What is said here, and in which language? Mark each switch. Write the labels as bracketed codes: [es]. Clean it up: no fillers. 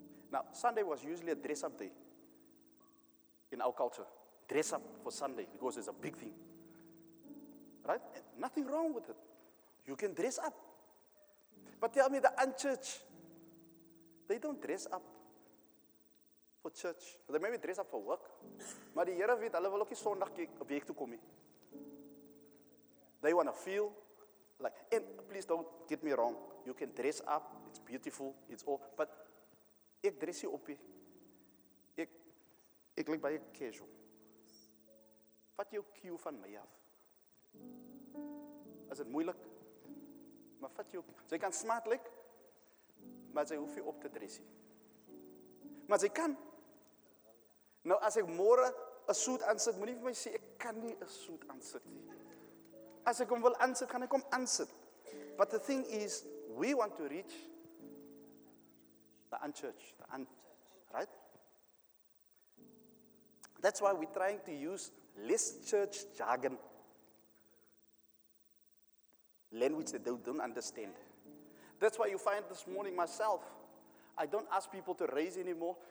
[en] Now, Sunday was usually a dress-up day in our culture. Dress up for Sunday because it's a big thing. Right? And nothing wrong with it. You can dress up. But tell me, the unchurched, they don't dress up for church. They maybe dress up for work. [af] Maar die Here weet, hulle wil ook nie Sondag op die hek toe kom nie. [en] They want to feel like, and please don't get me wrong, you can dress up, it's beautiful, it's all, but [af] ek dress hier op. Ek lyk baie casual. Vat jou cue van my af. Is dit moeilik? Maar vat jou. Sy kan smart lyk, maar sy hoef nie op te dress nie. Maar sy kan. Nou, as ek môre 'n suit aansit, moenie vir my sê ek kan nie 'n suit aansit nie. As ek hom wil aansit, gaan ek hom aansit. [en] But the thing is, we want to reach the unchurched, the unchurched, right? That's why we're trying to use less church jargon. Language that they don't understand. That's why you find this morning myself, I don't ask people to raise anymore.